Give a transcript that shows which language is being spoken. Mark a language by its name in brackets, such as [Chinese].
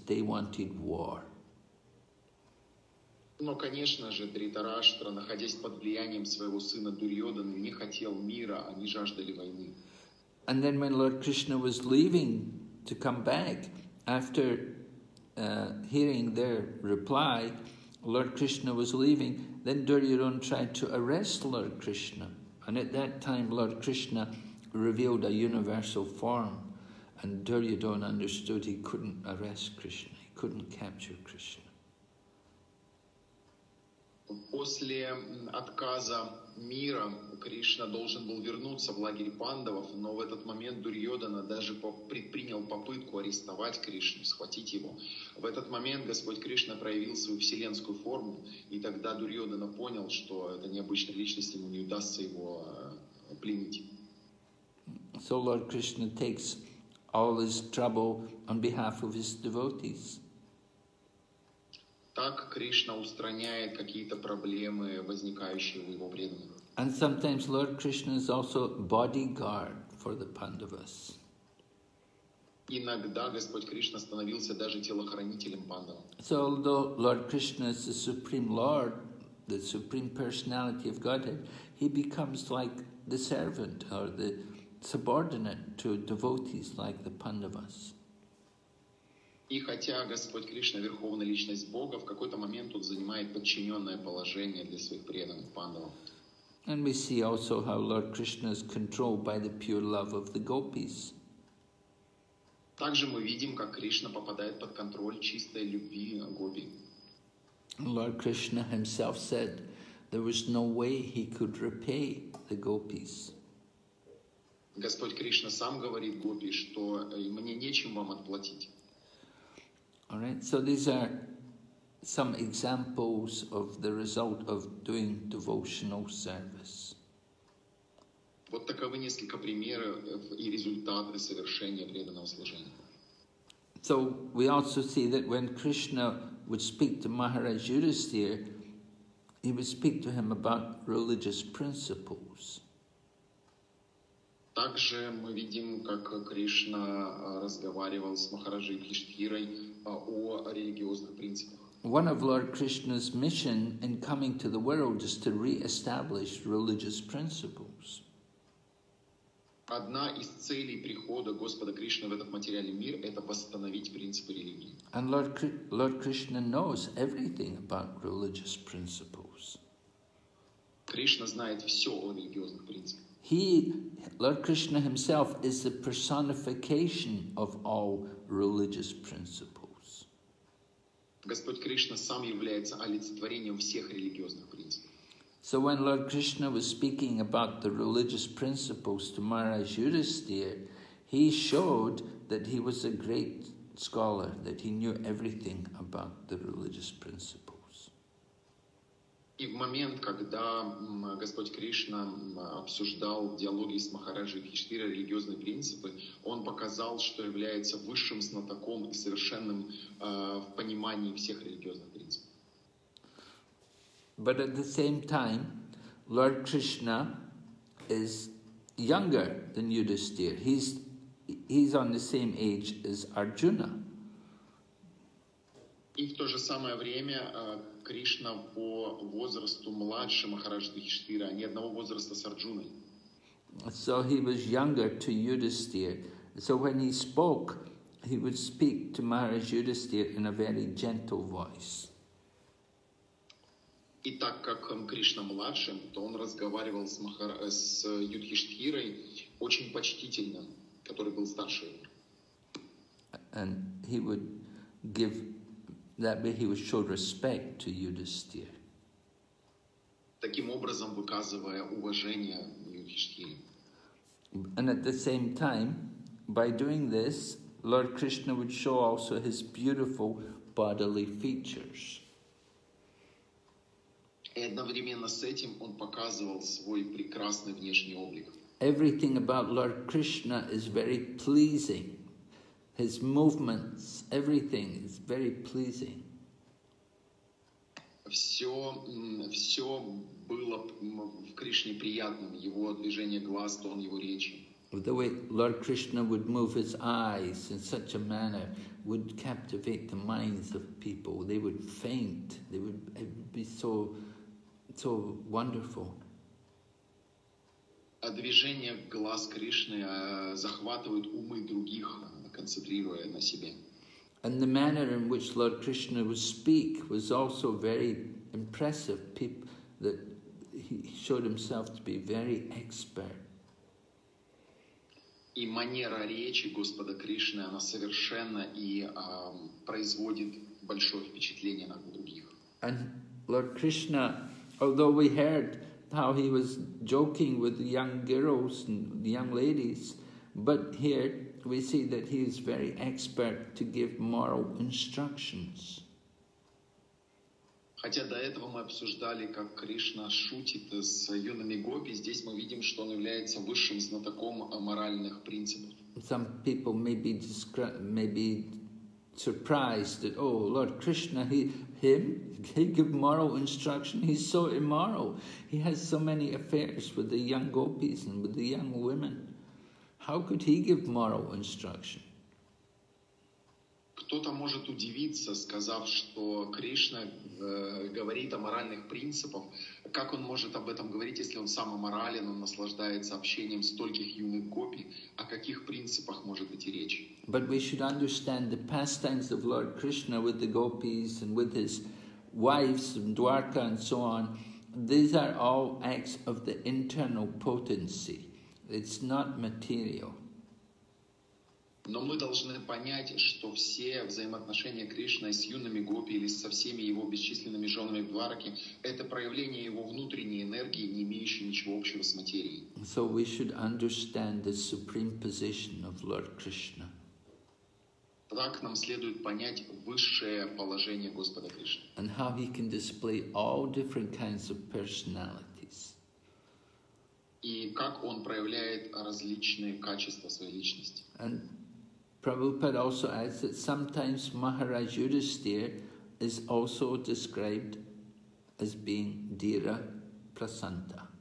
[English] They wanted war. [Russian] Но, конечно же, Дхритараштра, находясь под влиянием своего сына Дурьодана, не хотел мира, они жаждали войны. [English] And then, when Lord Krishna was leaving to come back, after hearing their reply, Lord Krishna was leaving. Then Duryodhana tried to arrest Lord Krishna. And at that time, Lord Krishna revealed a universal form, and Duryodhana understood he couldn't arrest Krishna, he couldn't capture Krishna. [Russian] После отказа мира Кришна должен был вернуться в лагерь пандавов, но в этот момент Дурьодана даже предпринял попытку арестовать Кришну, схватить его. В этот момент Господь Кришна проявил свою вселенскую форму, и тогда Дурьодана понял, что это необычная личность, ему не удастся его пленить. [English] So Lord Krishna takes all his trouble on behalf of his devotees. [Russian] Так Кришна устраняет какие-то проблемы, возникающие у его преданных. [English] And sometimes Lord Krishna is also bodyguard for the Pandavas. [Russian] Иногда Господь Кришна становился даже телохранителем пандав. [English] So although Lord Krishna is the supreme Lord, the supreme personality of Godhead, he becomes like the servant or the subordinate to devotees like the Pandavas. [Russian] И хотя Господь Кришна – верховная личность Бога, в какой-то момент он занимает подчиненное положение для своих преданных пандавов. [English] And we see also how Lord Krishna is controlled by the pure love of the gopis. [Russian] Также мы видим, как Кришна попадает под контроль чистой любви гопи. [English] Lord Krishna himself said there was no way he could repay the gopis. [Russian] Господь Кришна сам говорит гопи, что мне нечем вам отплатить. [English] All right, so these are some examples of the result of doing devotional service. [Russian] Вот таковы несколько примеров и результаты совершения преданного служения. [English] So we also see that when Krishna would speak to Maharaj Yudhisthira, he would speak to him about religious principles. [Russian] Также мы видим, как Кришна разговаривал с Махараджей Киштхирой о религиозных принципах. [English] One of Lord Krishna's mission in coming to the world is to re-establish religious principles. [Russian] Одна из целей прихода Господа Кришны в этот материальный мир – это восстановить принципы религии. [English] And Lord Krishna knows everything about religious principles. [Russian] Кришна знает все о религиозных принципах. [English] He, Lord Krishna himself, is the personification of all religious principles. [Russian] Господь Кришна сам является олицетворением всех религиозных принципов. [English] So when Lord Krishna was speaking about the religious principles to Maharaj Yudhisthira, he showed that he was a great scholar, that he knew everything about the religious principles. [Russian] И в момент, когда Господь Кришна обсуждал диалоги с Махараджи Юдхиштхирой религиозные принципы, он показал, что является высшим знатоком и совершенным в понимании всех религиозных принципов. [English] But at the same time, Lord Krishna is younger than Yudhisthira. He's on the same age as Arjuna. [Russian] И в то же самое время Кришна по возрасту младше Махараджи Юдхиштхира, не одного возраста с Арджуной. [English] So he was younger to Yudhisthira. So when he spoke, he would speak to Maharaj Yudhisthira in a very gentle voice. [Russian] И так как Кришна младшим, то он разговаривал с Юдхиштхирой очень почтительно, который был старше его. [English] And he would give, that way he would show respect to Yudhisthira. [Russian] Таким образом, выказывая уважение Юдхиштхире. [English] And at the same time, by doing this, Lord Krishna would show also his beautiful bodily features. [Russian] И одновременно с этим он показывал свой прекрасный внешний облик. [English] Everything about Lord Krishna is very pleasing. His movements, everything is very pleasing. [Russian] Все было в Кришне приятным. Его движение глаз, тон его речи. [English] The way Lord Krishna would move his eyes in such a manner would captivate the minds of people. They would faint. It's so wonderful. [Russian] А движение глаз Кришны захватывает умы других, концентрируя на себе. [English] And the manner in which Lord Krishna would speak was also very impressive. People that he showed himself to be very expert. [Russian] И манера речи Господа Кришны она совершенна и производит большое впечатление на других. [English] And Lord Krishna, although we heard how he was joking with the young girls and the young ladies, but here we see that he is very expert to give moral instructions. [Russian] Хотя до этого мы обсуждали, как Кришна шутит с юными гопи, здесь мы видим, что он является высшим знатоком моральных принципов. [English] Some people may be surprised that, oh, Lord Krishna, he give moral instruction, he's so immoral. He has so many affairs with the young gopis and with the young women. How could he give moral instruction? [Russian] Кто-то может удивиться, сказав, что Кришна говорит о моральных принципах. Как он может об этом говорить, если он сам аморален, он наслаждается общением стольких юных гопи? О каких принципах может идти речь? [English] But we should understand the pastimes of Lord Krishna with the gopis and with his wives and Dwarka and so on. These are all acts of the internal potency. It's not material. [Russian] Но мы должны понять, что все взаимоотношения Кришны с юными гопи или со всеми его бесчисленными женами Двараки – это проявление его внутренней энергии, не имеющей ничего общего с материей. [English] So we should understand the supreme position of Lord Krishna. [Russian] Так нам следует понять высшее положение Господа Кришны. [English] And how he can display all different kinds of personalities. [Russian] И как он проявляет различные качества своей личности. [English] And Prabhupada also adds that sometimes Maharaj Yudhisthira is also described as being Dhira Prasanta.